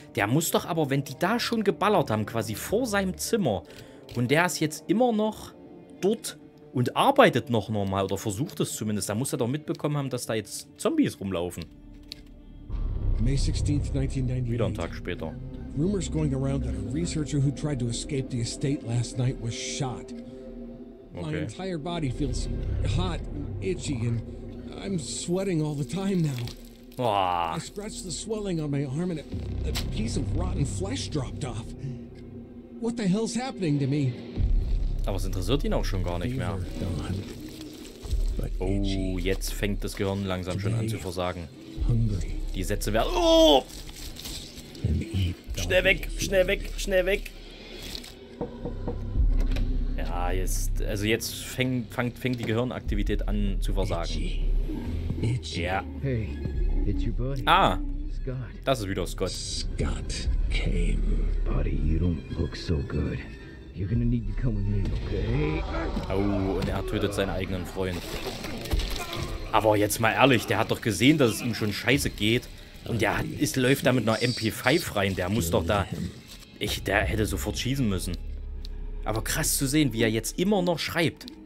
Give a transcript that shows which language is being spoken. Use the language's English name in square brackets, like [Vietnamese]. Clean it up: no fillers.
[German] Der muss doch aber, wenn die da schon geballert haben, quasi vor seinem Zimmer, und der ist jetzt immer noch dort und arbeitet noch normal, oder versucht es zumindest, da muss er doch mitbekommen haben, dass da jetzt Zombies rumlaufen. [English] May 16th, 1998. [German] Wieder einen Tag später. [English] Rumors going around that a researcher who tried to escape the estate last night was shot. Okay. My entire body feels hot and itchy and I'm sweating all the time now. I scratched the swelling on my arm and a piece of rotten flesh dropped off. What the hell's happening to me? [German] Aber es interessiert ihn auch schon gar nicht mehr. Oh, jetzt fängt das Gehirn langsam schon an zu versagen. Die Sätze werden... Oh! Schnell weg, schnell weg, schnell weg. Ja, jetzt, also jetzt fängt die Gehirnaktivität an zu versagen. Ja. Ah, das ist wieder Scott. [English] Scott came. Buddy, you don't look so good. You're gonna need to come with me, okay? [German] Oh, und er tötet seinen eigenen Freund. Aber jetzt mal ehrlich, der hat doch gesehen, dass es ihm schon scheiße geht. Und der läuft da mit einer MP5 rein. Der muss doch da... Der hätte sofort schießen müssen. Aber krass zu sehen, wie er jetzt immer noch schreibt.